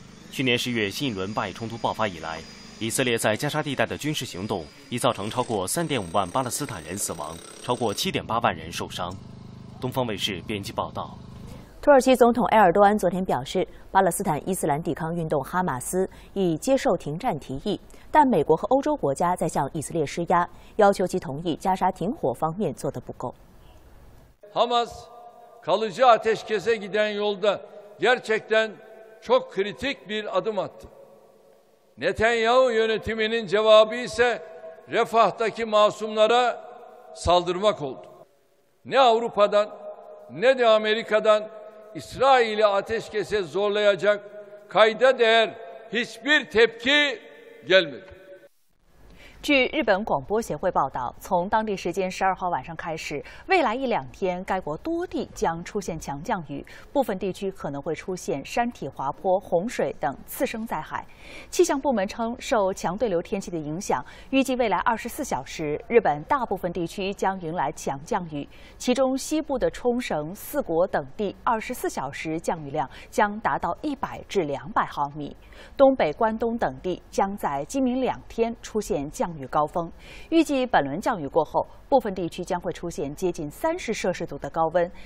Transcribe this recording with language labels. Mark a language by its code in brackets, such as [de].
[zh] 去年10月新一轮巴以冲突爆发以来，以色列在加沙地带的军事行动已造成超过3.5万巴勒斯坦人死亡，超过7.8万人受伤。东方卫视编辑报道。土耳其总统埃尔多安昨天表示，巴勒斯坦伊斯兰抵抗运动哈马斯已接受停战提议，但美国和欧洲国家在向以色列施压，要求其同意加沙停火方面做得不够。 [tr] Hamas kalıcı ateşkese giden yolda gerçekten çok kritik bir adım attı. Netanyahu yönetiminin cevabı ise Refah'taki masumlara saldırmak oldu. Ne Avrupa'dan ne de Amerika'dan İsrail'i ateşkese zorlayacak kayda değer hiçbir tepki gelmedi. [zh] 据日本广播协会报道，从当地时间12号晚上开始，未来一两天，该国多地将出现强降雨，部分地区可能会出现山体滑坡、洪水等次生灾害。气象部门称，受强对流天气的影响，预计未来24小时，日本大部分地区将迎来强降雨，其中西部的冲绳、四国等地24小时降雨量将达到100至200毫米，东北、关东等地将在今明两天出现降雨高峰，预计本轮降雨过后，部分地区将会出现接近30摄氏度的高温。